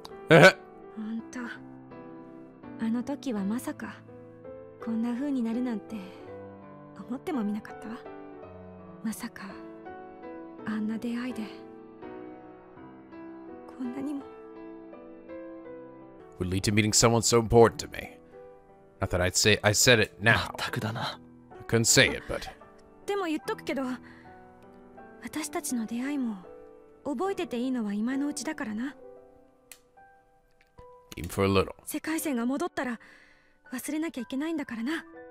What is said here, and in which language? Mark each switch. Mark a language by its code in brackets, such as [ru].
[ja] え? 本当。あの時はまさかこんな風になるなんて思ってもみなかったわ。まさかあんな出会いでこんなにも。 [en] Would lead to meeting someone so important to me. Not that I'd say I said it now. [ja] まったくだな。 [en] Couldn't say it, but. [ja] でも言っとくけど、私たちの出会いも覚えてていいのは今のうちだからな。 [en] even for a little. [ja] 世界線が戻ったら忘れなきゃいけないんだからな。